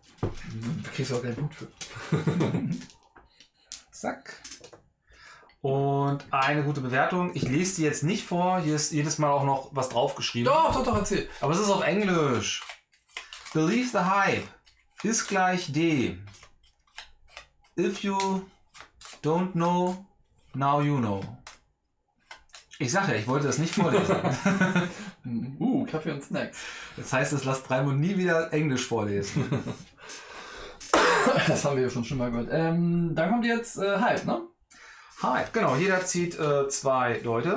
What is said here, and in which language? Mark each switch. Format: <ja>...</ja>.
<de>Da kriegst du auch kein Blut für. Zack. Und eine gute Bewertung. Ich lese die jetzt nicht vor. Hier ist jedes Mal auch noch was draufgeschrieben. Doch, doch, doch, erzähl. Aber es ist auf Englisch.</de> <en>Believe the hype is gleich D. If you don't know, now you know.</en> <de>Ich sag ja, ich wollte das nicht vorlesen. Kaffee und Snacks. Das heißt, es lasst Raimund nie wieder Englisch vorlesen. Das haben wir ja schon mal gehört. Dann kommt jetzt Hype, ne? Hype, genau. Jeder zieht 2 Leute.</de>